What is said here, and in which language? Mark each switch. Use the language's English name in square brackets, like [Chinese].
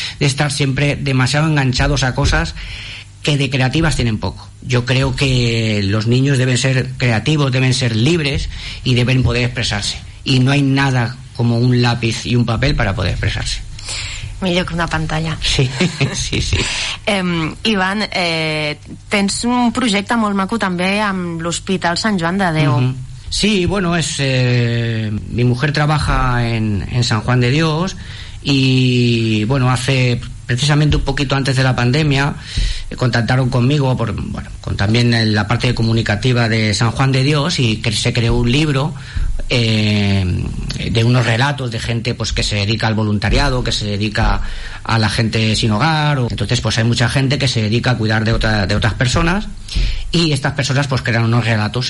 [Spanish] De estar siempre demasiado enganchados a cosas que de creativas tienen poco. Yo creo que los niños deben ser creativos, deben ser libres y deben poder expresarse. Y no hay nada como un lápiz y un papel para poder expresarse. [Catalan] Millor que una pantalla. Sí, sí, sí. Ivan, tens un projecte molt maco també amb l'Hospital Sant Joan de Déu. Mm-hmm. [Spanish] Sí, bueno, mi mujer trabaja en San Juan de Dios, y bueno, hace precisamente un poquito antes de la pandemia contactaron conmigo por, bueno, con también la parte comunicativa de San Juan de Dios, y que se creó un libro de unos relatos de gente pues que se dedica al voluntariado, que se dedica a la gente sin hogar, o entonces pues hay mucha gente que se dedica a cuidar de otras personas, y estas personas pues crean unos relatos.